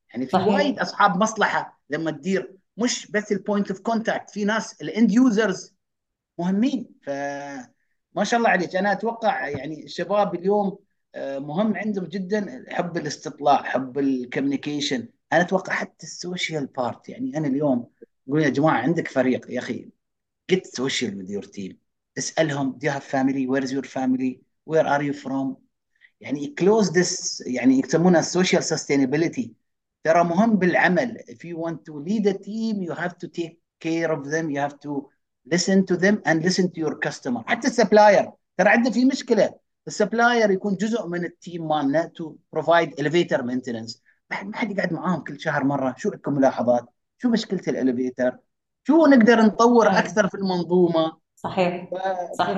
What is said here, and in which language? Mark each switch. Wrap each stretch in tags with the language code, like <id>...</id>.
<ar>يعني في صحيح وايد اصحاب مصلحه لما تدير مش بس البوينت اوف كونتاكت، في ناس الاند يوزرز مهمين. ف ما شاء الله عليك، انا اتوقع يعني الشباب اليوم مهم عندهم جدا حب الاستطلاع، حب الكوميونيكيشن. انا اتوقع حتى السوشيال بارت، يعني انا اليوم اقول يا جماعه عندك فريق، يا اخي</ar> <en>get social with your team،</en> <ar>اسالهم</ar> <en>do you have family, where is your family, where are you from.</en> <ar>يعني</ar> <en>close this،</en> <ar>يعني يسمونها social sustainability، ترى مهم بالعمل.</ar> <en>if you want to lead a team you have to take care of them, you have to listen to them and listen to your customer.</en> <ar>حتى السبلاير ترى عنده في مشكله، السبلاير يكون جزء من التيم مالنا</ar> <en>to provide elevator maintenance.</en> <ar>ما حد يقعد معاهم كل شهر مره، شو عندكم ملاحظات؟ شو مشكله الاليفيتر؟ شو نقدر نطور صحيح اكثر في المنظومه؟ صحيح صحيح</ar>